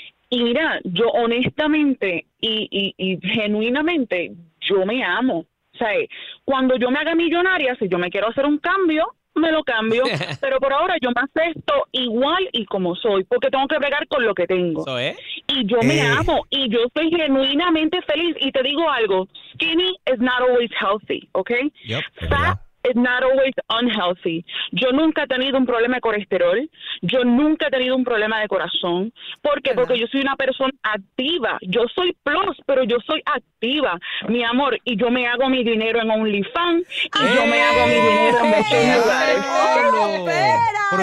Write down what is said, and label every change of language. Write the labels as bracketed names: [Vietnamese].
[Spanish] Y mira, yo honestamente y genuinamente, yo me amo. O sea, cuando yo me haga millonaria, si yo me quiero hacer un cambio, me lo cambio. Pero por ahora yo me acepto igual y como soy, porque tengo que bregar con lo que tengo. ¿Eso es? Y yo me amo y yo estoy genuinamente feliz. Y te digo algo, [English] skinny is not always healthy, okay? Yep, fat is not always unhealthy. [Spanish] Yo nunca he tenido un problema de colesterol, yo nunca he tenido un problema de corazón. ¿Por qué? Porque yo soy una persona activa. Yo soy plus, pero yo soy activa, mi amor, y yo me hago mi dinero en OnlyFans y yo me hago mi dinero en muchos lugares.